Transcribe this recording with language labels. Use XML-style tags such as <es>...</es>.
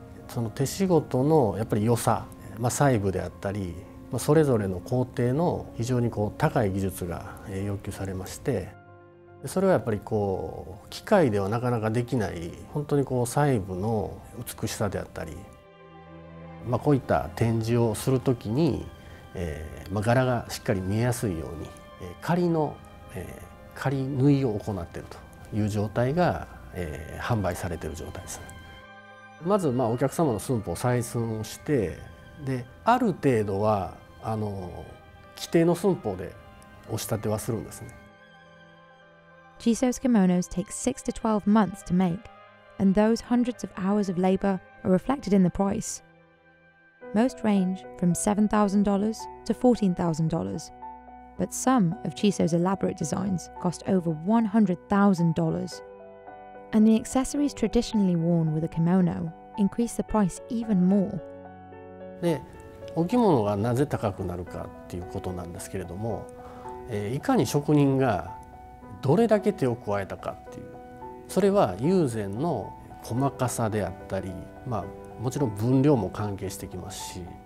<ja>その手仕事のやっぱり良さ、まあ、細部であったり、まあ、それぞれの工程の非常にこう高い技術が要求されまして、それはやっぱりこう機械ではなかなかできない本当にこう細部の美しさであったり、まあ、こういった展示をするときに、まあ、柄がしっかり見えやすいように仮縫いを行っているという状態が、販売されている状態です。まずまあお客様の寸法を採寸をして、である程度はあの規定の寸法でお仕立てはするんですね。</ja> <en>Chiso's kimonos take 6 to 12 months to make, and those hundreds of hours of labor are reflected in the price. Most range from $7,000 to $14,000, but some of Chiso's elaborate designs cost over $100,000. And the accessories traditionally worn with a kimono increase the price even more.</en> <ja>で、お着物がなぜ高くなるかっていうことなんですけれども、いかに職人がどれだけ手を加えたかっていう、それは友禅の細かさであったり、まあもちろん分量も関係してきますし。</ja>